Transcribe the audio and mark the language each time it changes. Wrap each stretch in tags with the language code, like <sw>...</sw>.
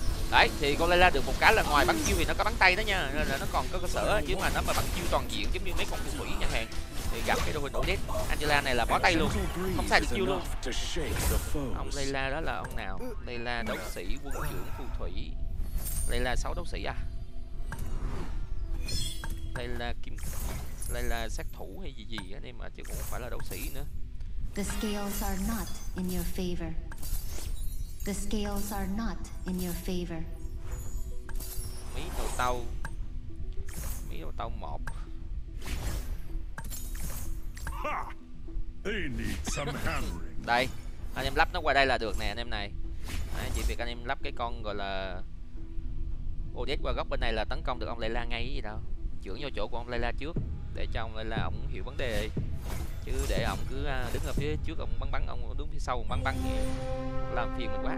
<vi>Đấy, thì con Layla được một cái là ngoài bắn chiêu thì nó có bắn tay đó nha. Nên là nó còn có cơ sở, chứ mà nó mà bắn chiêu toàn diện giống như mấy con phù thủy nhà hàng thì gặp cái đội hình Odette, Angela này là bó tay luôn, không sai được chiêu luôn. Ông Layla đó là ông nào? Layla đấu sĩ, quân trưởng, phù thủy. Layla 6 đấu sĩ à? Layla kim, Layla sát thủ hay gì gì á, nhưng mà chứ cũng không phải là đấu sĩ nữa.</vi> <en>The scales are not in your favor. The scales are not in your favor.</en> <vi>Mấy đầu tàu một.</vi> <en>They need some hammering.</en> <vi>Đây, anh em lắp nó qua đây là được nè anh em này. Đấy, chỉ việc anh em lắp cái con gọi là Odette qua góc bên này là tấn công được ông Layla ngay gì đâu. Chuyển vô chỗ của ông Layla trước để cho ông Layla ông hiểu vấn đề. Chứ để ông cứ đứng ở phía trước ông bắn, ông đứng phía sau ông bắn thì làm phiền mình quá.</vi>